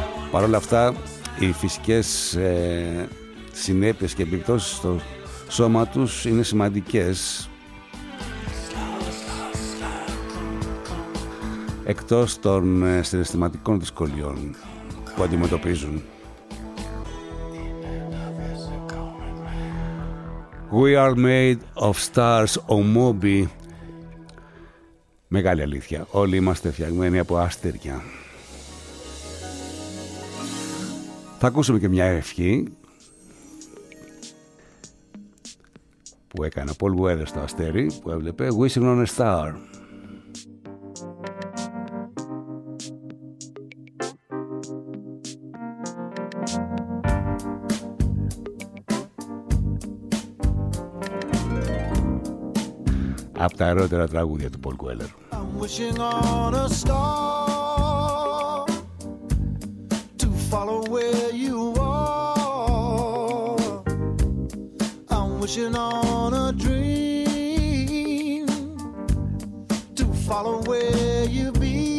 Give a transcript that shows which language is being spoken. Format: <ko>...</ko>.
<el>Παρ' όλα αυτά, οι φυσικές συνέπειες και επιπτώσεις στο σώμα τους είναι σημαντικές. Εκτός των συναισθηματικών δυσκολιών που αντιμετωπίζουν.</el> <en>We are made of stars, ο Μόμπι.</en> <el>Μεγάλη αλήθεια. Όλοι είμαστε φτιαγμένοι από αστέρια. Θα ακούσουμε και μια ευχή που έκανε Paul Weathers στο αστέρι που έβλεπε. Wishing on a star. Από τα ερώτερα τραγούδια του Paul Weller.</el> <en>I'm wishing on a star to follow where you are. I'm wishing on a dream to follow where you be.</en>